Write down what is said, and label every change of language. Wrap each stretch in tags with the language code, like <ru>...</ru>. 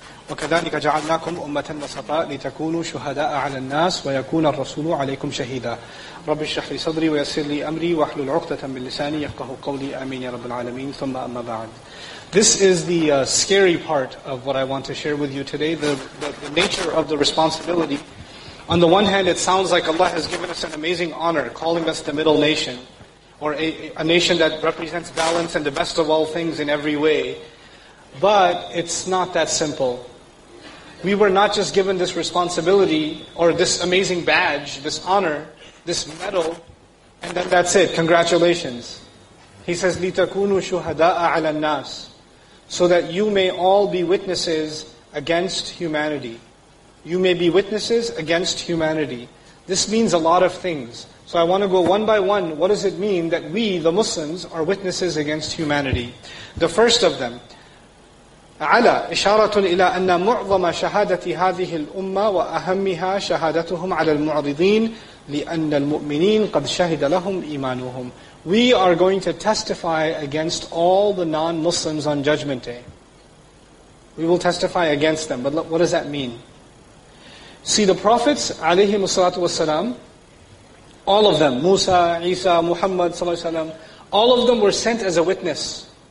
<ar>وكذلك جعلناكم أمة وسطاء لتكونوا شهداء على الناس ويكون الرسول عليكم شهيدا رب اشرح لي صدري ويسر لي أمري واحلل عقدة من لساني يفقهوا قولي آمين يا رب العالمين ثم أما بعد.</ar> <en>This is the scary part of what I want to share with you today, the nature of the responsibility. On the one hand, it sounds like Allah has given us an amazing honor, calling us the middle nation, or a nation that represents balance and the best of all things in every way. But it's not that simple. We were not just given this responsibility or this amazing badge, this honor, this medal, and then that's it. Congratulations. He says,</en> <ar>لِتَكُونُوا شُهَدَاءَ عَلَى النَّاسِ,</ar> <en>so that you may all be witnesses against humanity. You may be witnesses against humanity. This means a lot of things. So I want to go one by one. What does it mean that we, the Muslims, are witnesses against humanity? The first of them,</en> <ar>على إشارة إلى أن معظم شهادة هذه الأمة وأهمها شهادتهم على المعرضين لأن المؤمنين قد شهد لهم إيمانهم.</ar> <en>We are going to testify against all the non-Muslims on Judgment Day. We will testify against them. But what does that mean? See, the prophets,</en> <ar>عليهم الصلاة والسلام,</ar> <en>all of them, موسى, عيسى, محمد,</en> <ar>صلى الله عليه وسلم,</ar> <en>all of them were sent as a witness.</en>